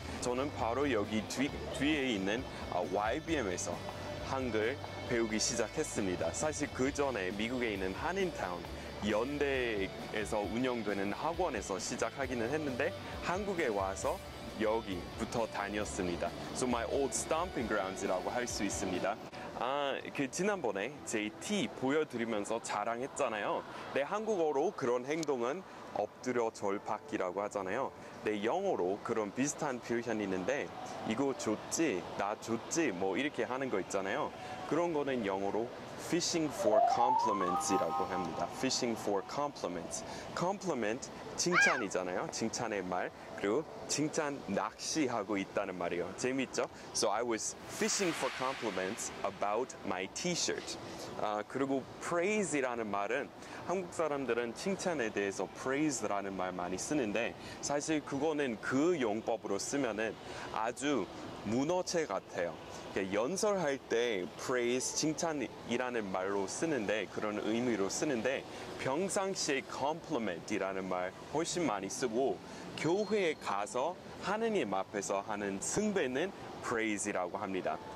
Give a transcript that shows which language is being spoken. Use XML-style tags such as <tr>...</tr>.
<ko>저는 바로 여기 뒤에 있는 YBM에서 한글 배우기 시작했습니다. 사실 그 전에 미국에 있는 한인타운, 연대에서 운영되는 학원에서 시작하기는 했는데 한국에 와서 여기부터 다녔습니다.</ko> <en>So my old stomping grounds이라고</en> <ko>할 수 있습니다. 아, 그 지난번에 제 티 보여드리면서 자랑했잖아요. 네, 한국어로 그런 행동은 엎드려 절박기라고 하잖아요. 네, 영어로 그런 비슷한 표현이 있는데 이거 좋지, 나 좋지, 뭐 이렇게 하는 거 있잖아요. 그런 거는 영어로</ko> <en>fishing for compliments</en> <ko>이라고 합니다.</ko> <en>fishing for compliments.</en> <ko>compliment, 칭찬이잖아요. 칭찬의 말. 그리고 칭찬 낚시하고 있다는 말이에요. 재밌죠?</ko> <en>So I was fishing for compliments about my t-shirt.</en> <ko>그리고 praise라는 말은 한국 사람들은 칭찬에 대해서 praise라는 말 많이 쓰는데 사실 그거는 그 용법으로 쓰면은 아주 문어체 같아요. 연설할 때 praise, 칭찬이라는 말로 쓰는데 그런 의미로 쓰는데 평상시에 compliment이라는 말 훨씬 많이 쓰고 교회에 가서 하느님 앞에서 하는 승배는 praise이라고 합니다.</ko>